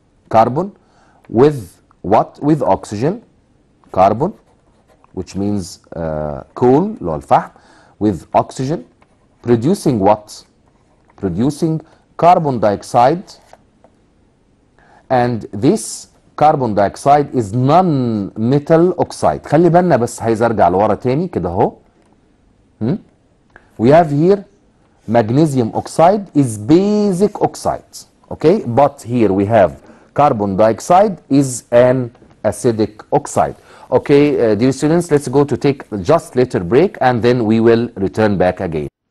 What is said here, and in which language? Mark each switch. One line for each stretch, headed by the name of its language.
English: Carbon with what? With oxygen. Carbon, which means coal,
Arabic: اللي هو الفحم,
English: with oxygen, producing what? Producing carbon dioxide. And this carbon dioxide is non-metal oxide.
Arabic: خلي بالنا بس عايز ارجع لورا تاني كده اهو.
English: We have here magnesium oxide is basic oxide. Okay, but here we have carbon dioxide is an acidic oxide. Okay, dear students, let's go to take just little break and then we will return back again.